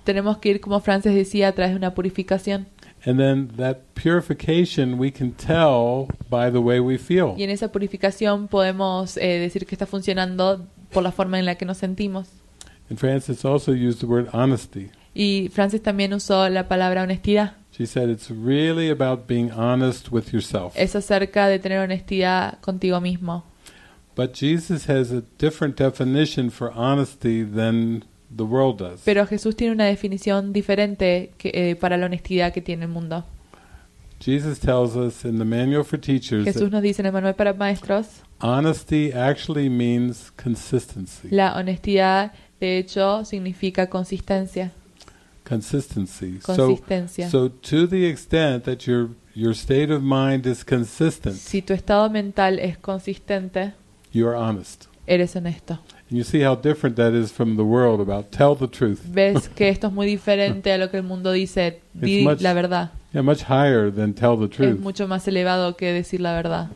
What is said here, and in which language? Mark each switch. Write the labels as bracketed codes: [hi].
[es] Tenemos que ir como Francis decía, a través de una purificación. [en] And then that purification we can tell by the way we feel. [es] Y en esa purificación podemos decir que está funcionando por la forma en la que nos sentimos. [en] And Francis also used the word honesty. [es] Y Francis también usó la palabra honestidad. [en] She said it's really about being honest with yourself. [es] Es acerca de tener honestidad contigo mismo. [en] But Jesus has a different definition for honesty than the world does. [es] Pero Jesús tiene una definición diferente para la honestidad que tiene el mundo. [en] Jesus tells us in the manual for teachers. [es] Jesús nos dice en el manual para maestros. [en] Honesty actually means consistency. [es] La honestidad, de hecho, significa consistencia. [en] Consistency. [es] Consistencia. [en] So to the extent that your state of mind is consistent. [es] Si tu estado mental es consistente. [en] You are honest. [es] Eres honesto. [en] And you see how different that is from the world about tell the truth. [es] Ves que esto es muy diferente a lo que el mundo dice. Di la verdad. [en] Yeah, much higher than tell the truth. [es] Es mucho más elevado que decir la verdad.